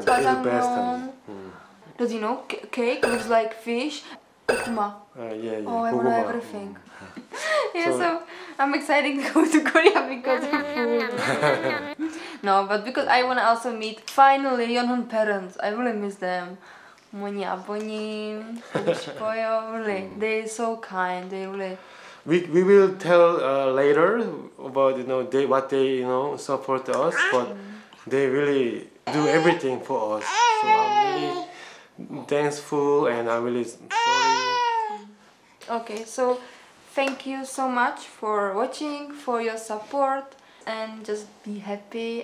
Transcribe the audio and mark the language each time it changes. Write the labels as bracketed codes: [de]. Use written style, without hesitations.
[en] 짜장면. Does you know cake looks like fish? 고구마. Yeah, yeah. Oh, I want everything. Yeah, so I'm excited to go to Korea because of food. No, but because I want to also meet finally Yeonhun parents. I really miss them. [ko] 어머니, 아버님, 보고 싶어요. [en] Really, they are so kind. They really. We will tell later about you know they what they you know support us, but they really do everything for us. So I'm really thankful and I'm really sorry. Okay, so thank you so much for watching, for your support, and just be happy.